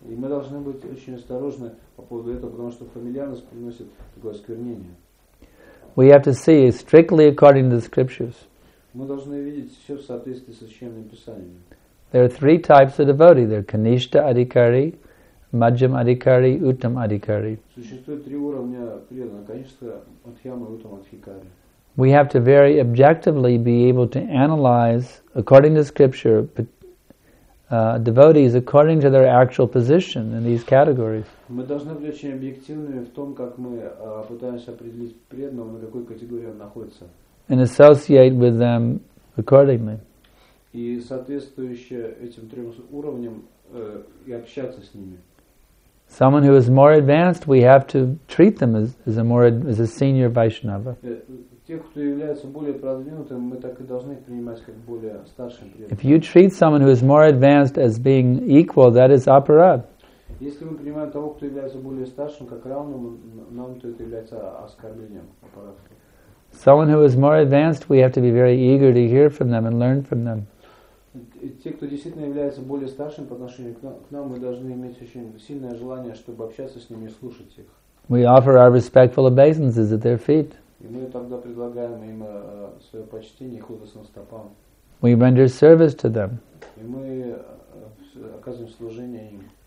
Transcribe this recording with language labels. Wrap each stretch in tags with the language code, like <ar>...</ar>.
<ru>И мы должны быть очень осторожны по поводу этого, потому что фамильярность приносит такое осквернение.</ru> <en>We have to see strictly according to the scriptures.</en> <ru>Мы должны видеть все в соответствии со священными писаниями.</ru> <en>There are three types of devotee. There are Kanishta Adhikari, Madhyam Adhikari, Uttam Adhikari.</en> <ru>Существует три уровня преданных: Kanishta, Madhyam и Uttam Adhikari.</ru> <en>We have to very objectively be able to analyze according to scripture devotees according to their actual position in these categories.</en> <ru>Мы должны быть очень объективными в том, как мы пытаемся определить преданного, на какой категории он находится.</ru> <en>And associate with them accordingly.</en> <ru>И соответствующе этим трем уровням и общаться с ними.</ru> <en>Someone who is more advanced, we have to treat them as a senior Vaishnava.</en> <ru>Тех, кто является более продвинутым, мы так и должны принимать как более старшим преданным.</ru> <en>If you treat someone who is more advanced as being equal, that is aparad.</en> <ru>Если мы принимаем того, кто является более старшим, как равным, нам то это является оскорблением.</ru> <en>Someone who is more advanced, we have to be very eager to hear from them and learn from them.</en> <ru>Те, кто действительно является более старшим по отношению к нам, мы должны иметь очень сильное желание, чтобы общаться с ними и слушать их.</ru> <en>We offer our respectful obeisances at their feet.</en> <ru>И мы тогда предлагаем им свое почтение их лотосным стопам.</ru> <en>We render service to them.</en> <ru>И мы оказываем служение им.</ru>